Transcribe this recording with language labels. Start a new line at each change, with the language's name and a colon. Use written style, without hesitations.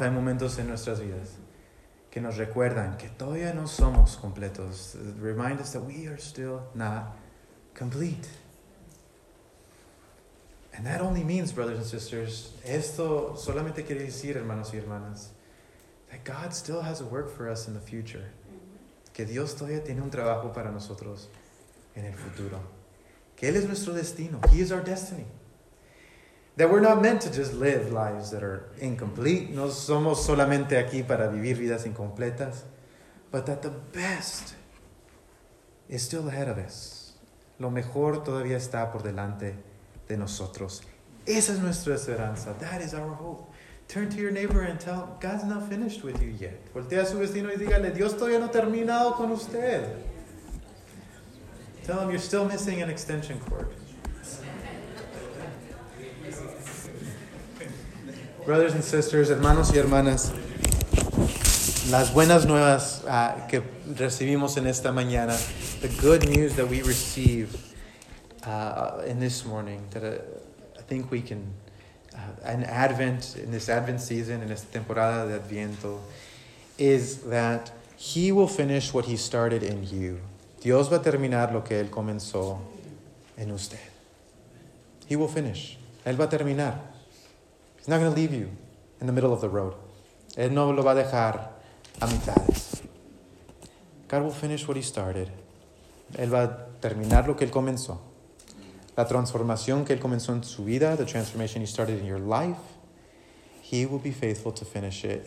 Spanish: Hay momentos en nuestras vidas que nos recuerdan que todavía no somos completos.
English: Remind us that we are still not complete. And that only means, brothers and sisters,
Spanish: esto solamente quiere decir, hermanos y hermanas,
English: that God still has a work for us in the future.
Spanish: Que Dios todavía tiene un trabajo para nosotros en el futuro. Que Él es nuestro destino.
English: He is our destiny. That we're not meant to just live lives that are incomplete.
Spanish: No somos solamente aquí para vivir vidas incompletas.
English: But that the best is still ahead of us.
Spanish: Lo mejor todavía está por delante de nosotros. Esa es nuestra esperanza.
English: That is our hope. Turn to your neighbor and tell, God's not finished with you yet.
Spanish: Voltea a su vecino y dígale, Dios todavía no ha terminado con usted.
English: Tell him, you're still missing an extension cord. Brothers and sisters,
Spanish: hermanos y hermanas, las buenas nuevas que recibimos en esta mañana,
English: the good news that we receive in this morning, that I think we can, an Advent, in this Advent season, in
Spanish: esta temporada de Adviento,
English: is that he will finish what he started in you.
Spanish: Dios va a terminar lo que él comenzó en usted.
English: He will finish.
Spanish: Él va a terminar.
English: He's not going to leave you in the middle of the road.
Spanish: Él no lo va a dejar a mitades.
English: God will finish what he started.
Spanish: Él va a terminar lo que él comenzó. La transformación que él comenzó en su vida,
English: the transformation he started in your life, he will be faithful to finish it.